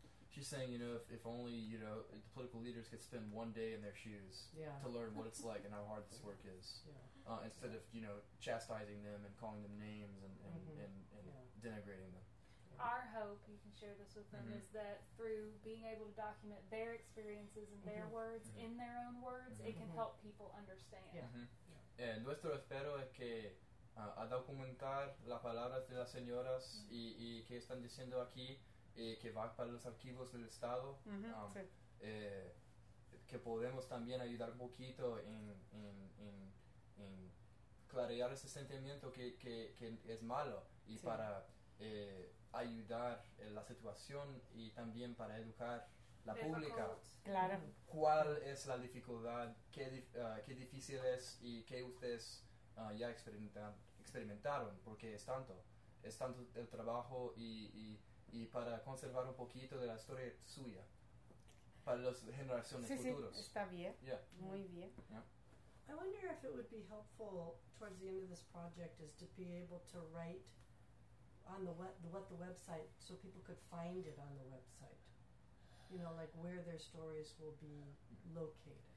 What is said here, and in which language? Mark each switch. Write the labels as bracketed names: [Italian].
[English] She's saying, you know, if only, you know, the political leaders could spend one day in their shoes to learn what it's like and how hard this work is. Yeah. Instead of, you know, chastising them and calling them names and denigrating them. Our hope, you can share this with them, mm-hmm. is that through being able to document their experiences and their mm-hmm. words mm-hmm. in their own words, mm-hmm. it can help people understand. Yeah. Mm-hmm. Yeah. [Spanish] Nuestro espero es que a documentar las palabras de las señoras mm-hmm. y que están diciendo aquí, que va para los archivos del Estado, mm-hmm. Que podemos también ayudar un poquito en clarear ese sentimiento que es malo y para... ayudar en la situación y también para educar la pública. Claro. ¿Cuál es la dificultad? ¿Qué difícil es y qué ustedes ya experimentaron? Porque es tanto el trabajo y para conservar un poquito de la historia suya. Para las generaciones sí, futuras. Sí, está bien. [English] Yeah. [Spanish] Muy bien. [English] Yeah. I wonder if it would be helpful towards the end of this project is to be able to write on the what the website, so people could find it on the website. You know, like where their stories will be located.